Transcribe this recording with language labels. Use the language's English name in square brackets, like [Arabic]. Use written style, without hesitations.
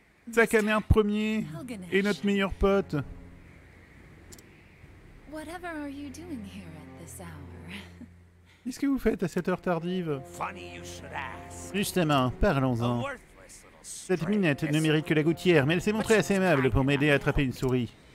[French] Sac à merde premier et notre meilleur pote. [English] Whatever are you doing here at this hour? [French] Qu'est-ce que vous faites à cette heure tardive? [English] Funny you should ask. [French] Justement, parlons-en. Cette minette ne mérite que la gouttière, mais elle s'est montrée assez aimable pour m'aider à attraper une souris.